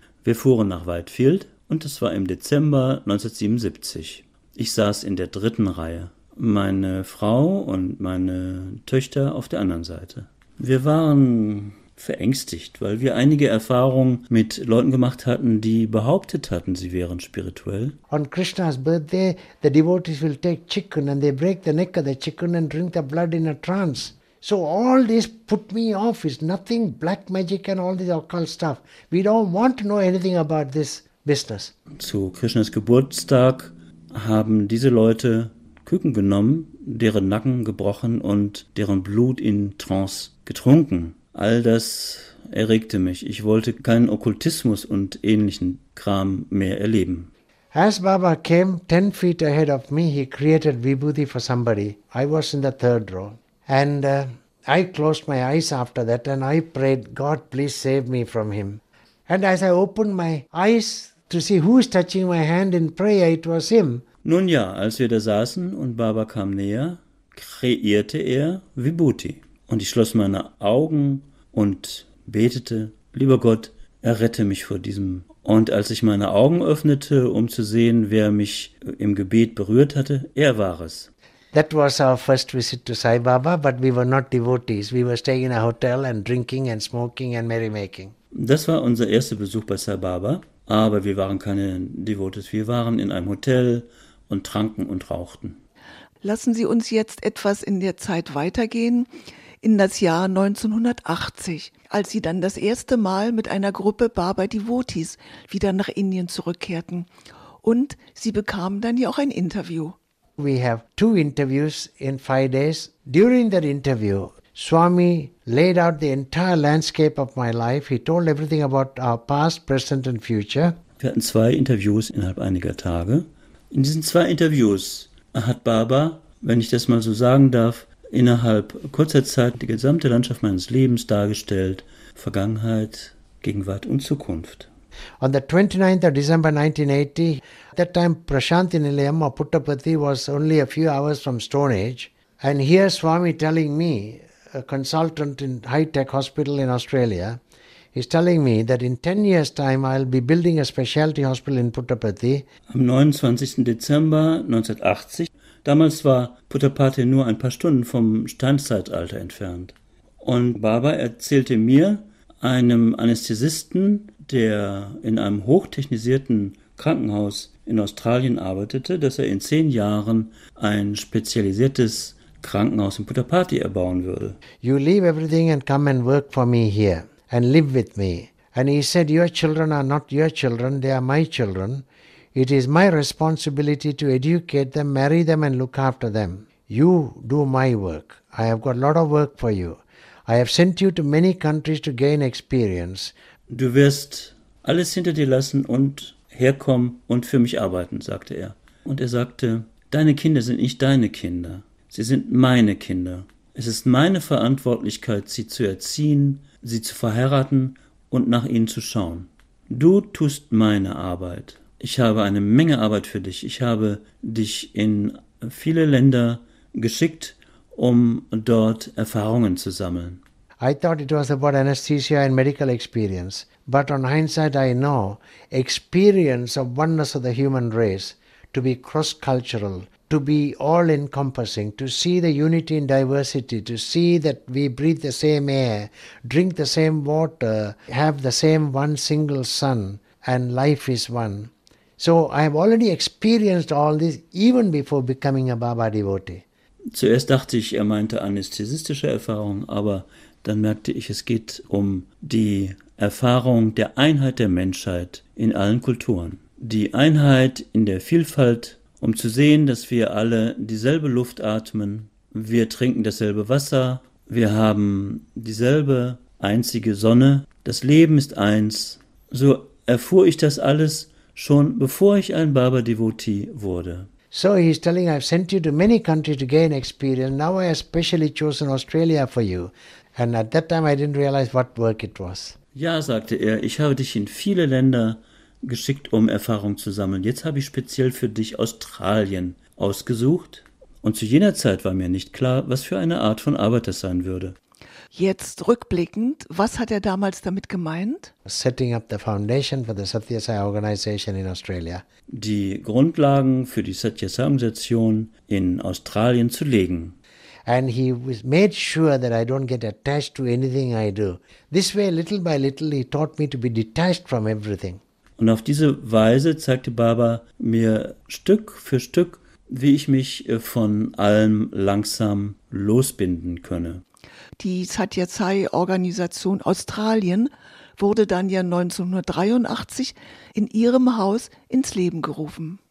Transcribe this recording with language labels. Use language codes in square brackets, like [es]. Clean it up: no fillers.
[de] Wir fuhren nach Whitefield und es war im Dezember 1977. Ich saß in der dritten Reihe meine Frau und meine Töchter auf der anderen Seite. Wir waren verängstigt, weil wir einige Erfahrungen mit Leuten gemacht hatten, die behauptet hatten, sie wären spirituell. [en] On Krishna's birthday, the devotees will take chicken and they break the neck of the chicken and drink the blood in a trance. So all this put me off. It's nothing, black magic and all this occult stuff. We don't want to know anything about this business. [de] Zu Krishnas Geburtstag haben diese Leute Küken genommen, deren Nacken gebrochen und deren Blut in Trance getrunken. All das erregte mich. Ich wollte keinen Okkultismus und ähnlichen Kram mehr erleben. [en] As Baba came 10 feet ahead of me, he created Vibhuti for somebody. I was in the third row. And I closed my eyes after that and I prayed, God, please save me from him. And as I opened my eyes to see who is touching my hand in prayer, it was him. [de] Nun ja, als wir da saßen und Baba kam näher, kreierte er Vibhuti. Und ich schloss meine Augen und betete, lieber Gott, errette mich vor diesem. Und als ich meine Augen öffnete, um zu sehen, wer mich im Gebet berührt hatte, er war es. [en] That was our first visit to Sai Baba, but we were not devotees. We were staying in a hotel and drinking and smoking and merrymaking. [de] Das war unser erster Besuch bei Sai Baba, aber wir waren keine Devotees. Wir waren in einem Hotel und tranken und rauchten. Lassen Sie uns jetzt etwas in der Zeit weitergehen, in das Jahr 1980, als Sie dann das erste Mal mit einer Gruppe Baba Devotees wieder nach Indien zurückkehrten. Und Sie bekamen dann ja auch ein Interview. [en] We have 2 interviews in 5 days. During that interview, Swami laid out the entire landscape of my life. He told everything about our past, present and future. [de] Wir hatten 2 Interviews innerhalb einiger Tage. In diesen 2 Interviews hat Baba, wenn ich das mal so sagen darf, innerhalb kurzer Zeit die gesamte Landschaft meines Lebens dargestellt, Vergangenheit, Gegenwart und Zukunft. [en] On the 29th of December 1980, at that time Prashanthi Nilayam or Puttapathi was only a few hours from Stone Age. And here Swami telling me, a consultant in high-tech hospital in Australia, he's telling me that in 10 years' time I'll be building a specialty hospital in Puttapathi. [de] Am 29. Dezember 1980, damals war Puttapathi nur ein paar Stunden vom Steinzeitalter entfernt. Und Baba erzählte mir, einem Anästhesisten, der in einem hochtechnisierten Krankenhaus in Australien arbeitete, dass er in 10 Jahren ein spezialisiertes Krankenhaus in Puttapathi erbauen würde. [en] You leave everything and come and work for me here and live with me. And he said, your children are not your children, they are my children. It is my responsibility to educate them, marry them and look after them. You do my work. I have got a lot of work for you. I have sent you to many countries to gain experience. [de] Du wirst alles hinter dir lassen und herkommen und für mich arbeiten, sagte er. Und er sagte, deine Kinder sind nicht deine Kinder, sie sind meine Kinder. Es ist meine Verantwortlichkeit, sie zu erziehen, sie zu verheiraten und nach ihnen zu schauen. Du tust meine Arbeit. Ich habe eine Menge Arbeit für dich. Ich habe dich in viele Länder geschickt, um dort Erfahrungen zu sammeln. [en] I thought it was about anesthesia and medical experience. But on hindsight, I know experience of oneness of the human race, to be cross-cultural, to be all-encompassing, to see the unity in diversity, to see that we breathe the same air, drink the same water, have the same one single sun, and life is one. So I have already experienced all this even before becoming a Baba devotee. [de] Zuerst dachte ich, er meinte anästhesistische Erfahrung, aber dann merkte ich, es geht um die Erfahrung der Einheit der Menschheit in allen Kulturen. Die Einheit in der Vielfalt, um zu sehen, dass wir alle dieselbe Luft atmen, wir trinken dasselbe Wasser, wir haben dieselbe einzige Sonne, das Leben ist eins. So erfuhr ich das alles schon, bevor ich ein Baba-Devotee wurde. [en] So he's telling, I've sent you to many countries to gain experience. Now I especially chosen Australia for you. And at that time I didn't realize what work it was. [de] Ja, sagte er, ich habe dich in viele Länder geschickt, um Erfahrung zu sammeln. Jetzt habe ich speziell für dich Australien ausgesucht. Und zu jener Zeit war mir nicht klar, was für eine Art von Arbeit das sein würde. Jetzt rückblickend, was hat er damals damit gemeint? [en] Setting up the foundation for the Satya Sai organization in Australia. [de] Die Grundlagen für die Satya Sai Organisation in Australien zu legen. [en] And he made sure that I don't get attached to anything I do. This way, little by little, he taught me to be detached from everything. [de] Und auf diese Weise zeigte Baba mir Stück für Stück, wie ich mich von allem langsam losbinden könne. Die Satya Sai Organisation Australien wurde dann ja 1983 in Ihrem Haus ins Leben gerufen.